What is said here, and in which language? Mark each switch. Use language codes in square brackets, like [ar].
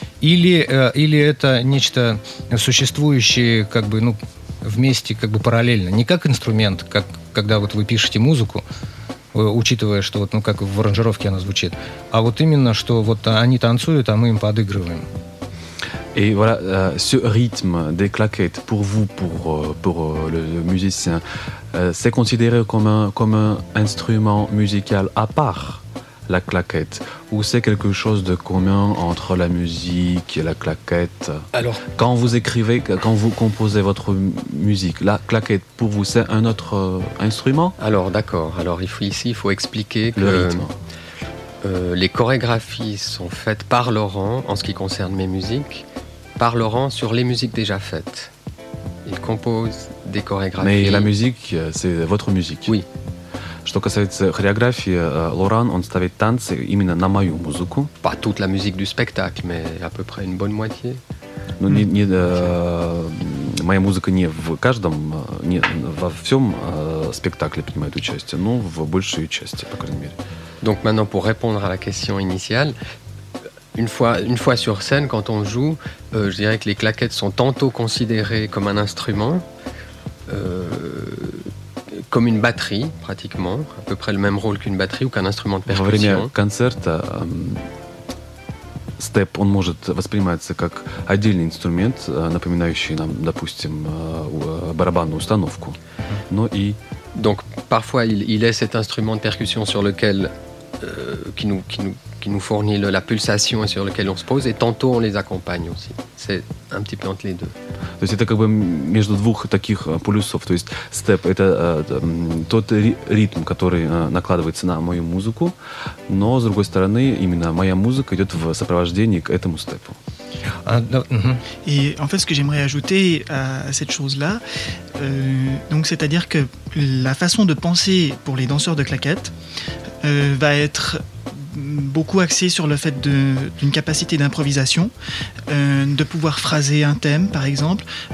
[ru] Или это нечто существующее, как бы, вместе, как бы параллельно? Не как инструмент, как когда вот вы пишете музыку, учитывая, что вот, как в аранжировке она звучит, а вот именно, что вот они танцуют, а мы им подыгрываем. [fr] Et voilà, ce rythme des claquettes, pour vous, pour le musicien, c'est considéré comme un instrument musical à part la claquette, ou c'est quelque chose de commun entre la musique et la claquette? Alors, quand vous écrivez, quand vous composez votre musique, la claquette, pour vous, c'est un autre instrument? Alors, d'accord. Alors, il faut expliquer que... Le rythme. Les chorégraphies sont faites par Laurent, en ce qui concerne mes musiques, par Laurent sur les musiques déjà faites. Il compose des chorégraphies. Mais la musique, c'est votre musique. Oui. [ru] Что касается хореографии, Лоран, он ставит танцы именно на мою музыку. [fr] Pas toute la musique du spectacle, mais à peu près une bonne moitié. [ru] Ну, моя музыка не в каждом, не во всем спектакле принимает участие, но в большей части, по крайней мере. [fr] Donc maintenant, pour répondre à la question initiale, une fois sur scène, quand on joue, je dirais que les claquettes sont tantôt considérées comme un instrument, comme une batterie, pratiquement, à peu près le même rôle qu'une batterie ou qu'un instrument de percussion. [ru] Во время концерта степ, он может восприниматься как отдельный инструмент, напоминающий нам, допустим, барабанную установку, но и... [fr] Donc, parfois, il est cet instrument de percussion sur lequel... qui nous fournit la pulsation et sur lequel on se pose, et tantôt on les accompagne aussi. C'est un petit peu entre les deux. [ru] То есть это как бы между двух таких полюсов. То есть степ — это тот ритм, который накладывается на мою музыку, но, с другой стороны, именно моя музыка идет в сопровождении к этому степу. [fr] Et en fait, ce que j'aimerais ajouter à cette chose-là, donc c'est-à-dire que la façon de penser pour les danseurs de claquettes va être beaucoup axée sur le fait d'une capacité d'improvisation, de pouvoir phraser un thème, par exemple.